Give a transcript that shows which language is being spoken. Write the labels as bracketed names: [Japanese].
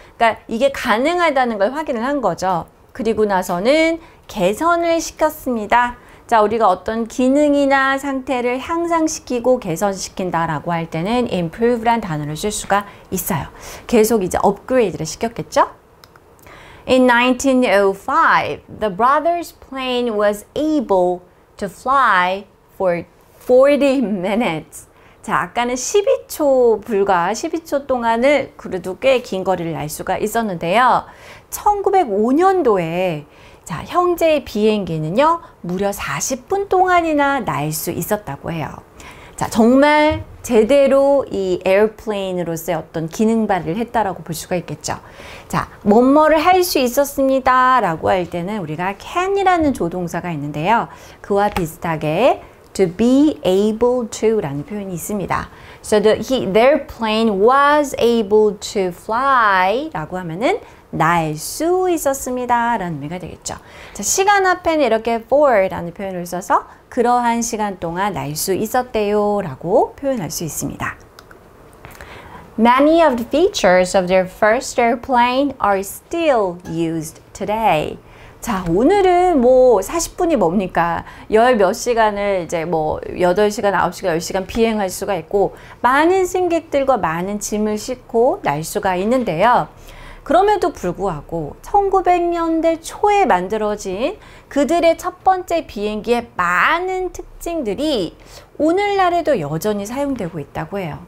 [Korean] 그러니까 이게 가능하다는 걸 확인을 한 거죠. 그리고 나서는 개선을 시켰습니다. 자, 우리가 어떤 기능이나 상태를 향상시키고 개선시킨다라고 할 때는 improve란 단어를 쓸 수가 있어요. 계속 이제 업그레이드를 시켰겠죠? [English] In 1905, the brothers' plane was able to fly for 40 minutes. [Korean] 자, 아까는 12초 불과 12초 동안을 그래도 꽤 긴 거리를 날 수가 있었는데요. 1905년도에 자, 형제의 비행기는요, 무려 40분 동안이나 날 수 있었다고 해요. 자, 정말 제대로 이 에어플레인으로서의 어떤 기능 발휘를 했다라고 볼 수가 있겠죠. 자, 뭐뭐를 할 수 있었습니다 라고 할 때는 우리가 can이라는 조동사가 있는데요. 그와 비슷하게 to be able to 라는 표현이 있습니다. [English] So their plane was able to fly [Korean] 라고 하면은 날 수 있었습니다 라는 의미가 되겠죠. 자, 시간 앞에는 이렇게 for 라는 표현을 써서 그러한 시간 동안 날 수 있었대요 라고 표현할 수 있습니다. [English] Many of the features of their first airplane are still used today. [Korean] 자, 오늘은 뭐 40분이 뭡니까? 열몇 시간을 이제 뭐 8시간, 9시간, 10시간 비행할 수가 있고 많은 승객들과 많은 짐을 싣고 날 수가 있는데요. 그럼에도 불구하고 1900년대 초에 만들어진 그들의 첫 번째 비행기의 많은 특징들이 오늘날에도 여전히 사용되고 있다고 해요.